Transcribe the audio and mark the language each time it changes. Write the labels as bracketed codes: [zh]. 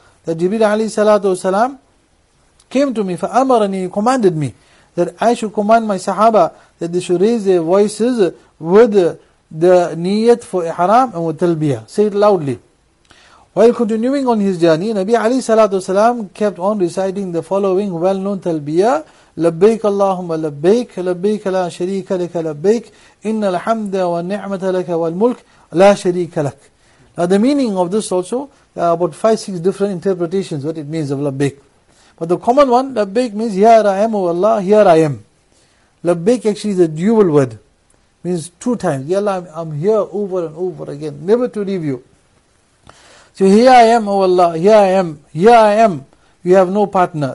[en] That Jibreel alayhi salatu wasalam came to me, fa'amarani, he commanded me that I should command my sahaba that they should raise their voices with the niyat for ihram and with talbiyah. Say it loudly. While continuing on his journey, Nabi alayhi salatu wasalam kept on reciting the following well-known talbiyah. [ar] لبيك اللهم لبيك لبيك لا شريك لك لبيك إن الحمد والنعمة لك والملك لا شريك لك. [en] Now the meaning of this also, there are about 5-6 different interpretations what it means of Labbaik. But the common one, Labbaik means, here I am, O Allah, here I am. Labbaik actually is a dual word. Means two times. Ya Allah, I'm here over and over again, never to leave you. So here I am, O Allah, here I am, here I am. You have no partner.